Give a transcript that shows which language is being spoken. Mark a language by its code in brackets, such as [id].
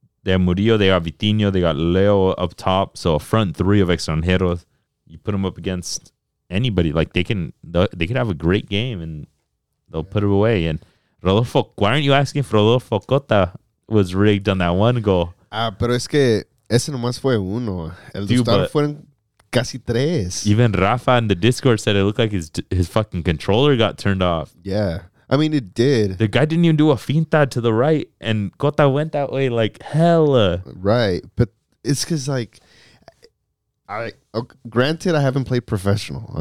[en] they have Murillo, they have Vitinho, they got Leo up top. So a front three of extranjeros, you put them up against anybody. Like they can have a great game and they'll put it away. And Rodolfo, why aren't you asking if Rodolfo Cota was rigged on that one goal? [es] Pero es que ese nomás fue uno. El disparo fue... Casi tres. [en] Even Rafa in the Discord said it looked like his fucking controller got turned off. Yeah. I mean, it did. The guy didn't even do a finta to the right, and Cota went that way like hella. Right. But It's because, like, granted, I haven't played professional.